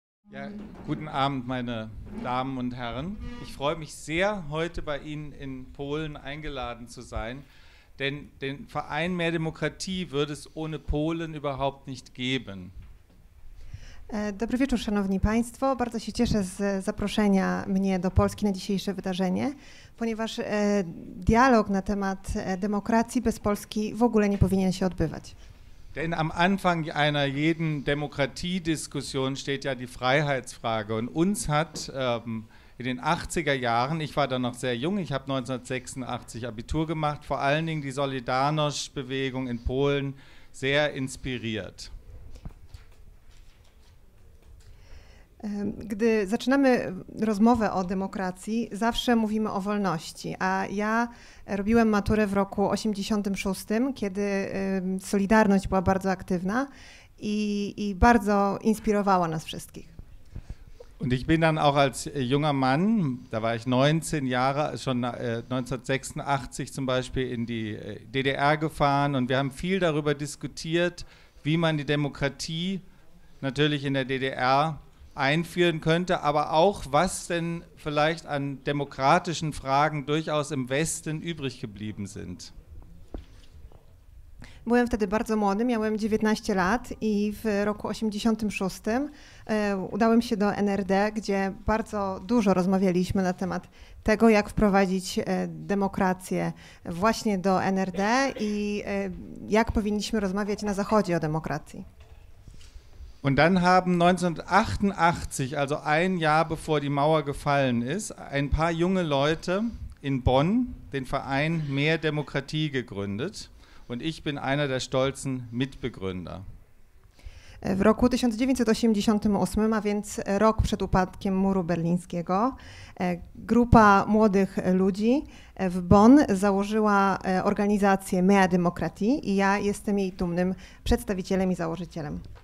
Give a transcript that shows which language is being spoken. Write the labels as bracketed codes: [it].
[de] Ja, guten Abend, meine Damen und Herren. Ich freue mich sehr, heute bei Ihnen in Polen eingeladen zu sein, denn den Verein Mehr Demokratie würde es ohne Polen überhaupt nicht geben. [pl] Dobry wieczór, szanowni państwo. Bardzo się cieszę z zaproszenia mnie do Polski na dzisiejsze wydarzenie, ponieważ dialog na temat demokracji bez Polski w ogóle nie powinien się odbywać. [de] Denn am Anfang einer jeden Demokratiediskussion steht ja die Freiheitsfrage. Und uns hat in den 80er Jahren, ich war da noch sehr jung, ich habe 1986 Abitur gemacht, vor allen Dingen die Solidarność-Bewegung in Polen sehr inspiriert. [pl] Gdy zaczynamy rozmowę o demokracji, zawsze mówimy o wolności, a ja robiłem maturę w roku 86, kiedy Solidarność była bardzo aktywna i bardzo inspirowała nas wszystkich. [de] Und ich bin dann auch als junger Mann, da war ich 19 Jahre, schon 1986 zum Beispiel in die DDR gefahren und wir haben viel darüber diskutiert, wie man die Demokratie natürlich in der DDR einführen könnte, aber auch, was denn vielleicht an demokratischen Fragen durchaus im Westen übrig geblieben sind. [pl] Byłem wtedy bardzo młody, miałem 19 lat i w roku 86 udałem się do NRD, gdzie bardzo dużo rozmawialiśmy na temat tego, jak wprowadzić demokrację właśnie do NRD i jak powinniśmy rozmawiać na Zachodzie o demokracji. [de] Und dann haben 1988, also ein Jahr bevor die Mauer gefallen ist, ein paar junge Leute in Bonn den Verein Mehr Demokratie gegründet. Und ich bin einer der stolzen Mitbegründer. [pl] W roku 1988, a więc rok przed upadkiem muru berlińskiego, grupa młodych ludzi w Bonn założyła organizację Mehr Demokratie i ja jestem jej dumnym przedstawicielem i założycielem.